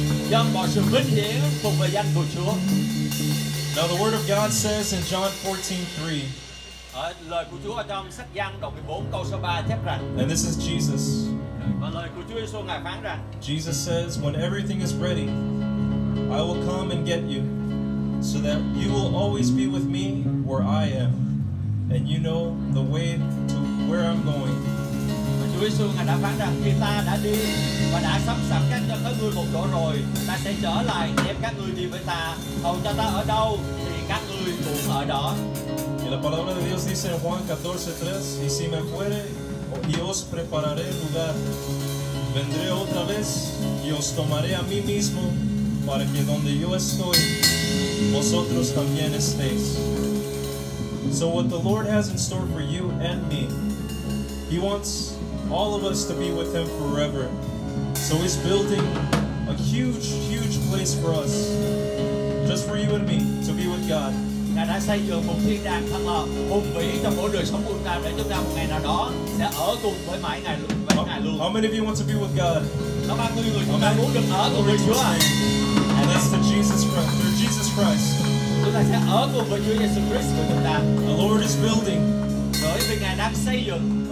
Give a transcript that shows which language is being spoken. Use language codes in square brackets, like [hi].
[vi] dâng mọi sự vinh hiển thuộc về danh của Chúa. [en] Now the word of God says in John 14:3. [vi] Lời của Chúa trong sách Giăng đoạn 14 câu số 3 chép rằng. [en] And this is Jesus. [vi] Và lời của Chúa Giêsu ngài phán rằng. [en] Jesus says, when everything is ready, I will come and get you, so that you will always be with me where I am, and you know the way to where I'm going. [vi] Và Chúa Giêsu ngài đã phán rằng khi ta đã đi và đã sắp sẵn các cho các ngươi một chỗ rồi, ta sẽ trở lại đem các ngươi đi với ta. Hầu cho ta ở đâu thì các ngươi cũng ở đó. [es] Y la palabra de Dios dice en Juan 14:3, y si me fuere, y os prepararé lugar, vendré otra vez y os tomaré a mí mismo, para que donde yo estoy, vosotros también estéis. [en] So what the Lord has in store for you and me, He wants all of us to be with Him forever. So He's building a huge, huge place for us, just for you and me, to be with God. [vi] Ngài đã xây dựng một thiên đàng thật là hùng vĩ cho mỗi đời sống của ta, để chúng ta một ngày nào đó sẽ ở cùng với mãi ngài luôn, với ngài luôn. [en] How many of you want to be with God? [vi] Có bao nhiêu người chúng ta muốn được ở cùng với Chúa? [en] And that's the Jesus Christ, through Jesus Christ. [vi] Chúng ta sẽ ở cùng với Chúa Giêsu Christ của chúng ta. [en] The Lord is building. [vi] Bởi vì ngài đang xây dựng.